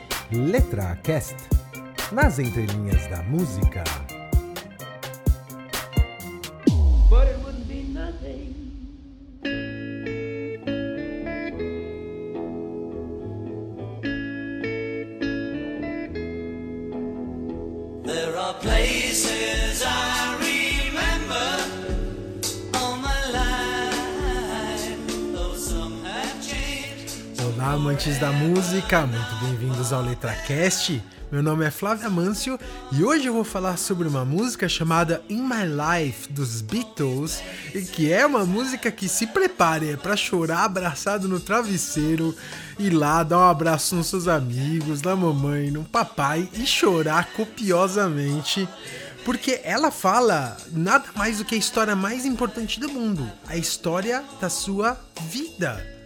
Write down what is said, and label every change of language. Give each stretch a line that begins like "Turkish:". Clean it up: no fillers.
Portuguese: LetraCast, nas entrelinhas da música.
English: But it wouldn't be nothing. There are places I remember all my life, though some have changed.
Portuguese: Olá, amantes da música, muito bem-vindos ao LetraCast. Meu nome é Flávio Amâncio e hoje eu vou falar sobre uma música chamada In My Life, dos Beatles, e que é uma música que, se prepare, é pra chorar abraçado no travesseiro, ir lá, dar um abraço nos seus amigos, na mamãe, no papai e chorar copiosamente, porque ela fala nada mais do que a história mais importante do mundo, a história da sua vida.